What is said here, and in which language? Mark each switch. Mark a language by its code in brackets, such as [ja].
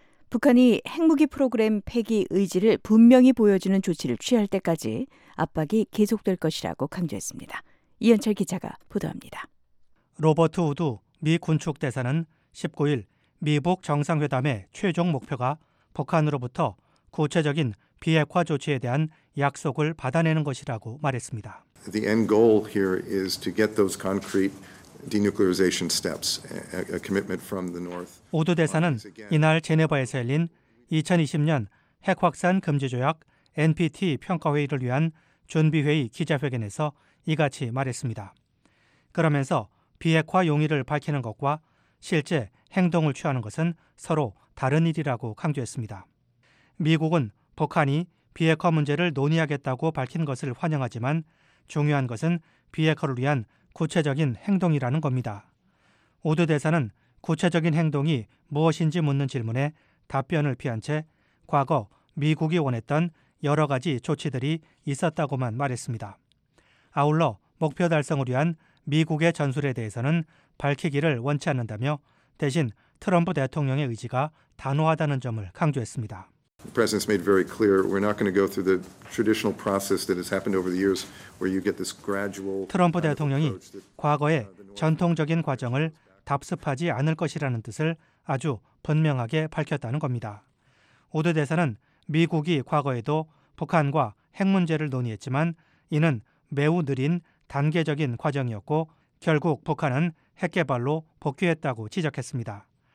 [ko] 북한이 핵무기 프로그램 폐기 의지를 분명히 보여주는 조치를 취할 때까지 압박이 계속될 것이라고 강조했습니다. 이현철 기자가 보도합니다. 로버트 우드 미 군축 대사는 19일 미북 정상회담의 최종 목표가 북한으로부터 구체적인 비핵화 조치에 대한 약속을 받아내는 것이라고 말했습니다. [en] The end goal here is to get those concrete denuclearization steps, a commitment from the North. [ko] 우드 대사는 이날 제네바에서 열린 2020년 핵확산 금지조약 NPT 평가회의를 위한 준비회의 기자회견에서 이같이 말했습니다. 그러면서 비핵화 용의를 밝히는 것과 실제 행동을 취하는 것은 서로 다른 일이라고 강조했습니다. 미국은 북한이 비핵화 문제를 논의하겠다고 밝힌 것을 환영하지만 중요한 것은 비핵화를 위한 구체적인 행동이라는 겁니다. 우드 대사는 구체적인 행동이 무엇인지 묻는 질문에 답변을 피한 채 과거 미국이 원했던 여러 가지 조치들이 있었다고만 말했습니다. 아울러 목표 달성을 위한 미국의 전술에 대해서는 밝히기를 원치 않는다며 대신 트럼프 대통령의 의지가 단호하다는 점을 강조했습니다. [en] The president's made very clear we're not going to go through the traditional process that has happened over the years where you get this gradual [ko] 트럼프 대통령이 과거의 전통적인 과정을 답습하지 않을 것이라는 뜻을 아주 분명하게 밝혔다는 겁니다. 우드 대사는 미국이 과거에도 북한과 핵 문제를 논의했지만 이는 매우 느린 단계적인 과정이었고 결국 북한은 핵 개발로 복귀했다고 지적했습니다.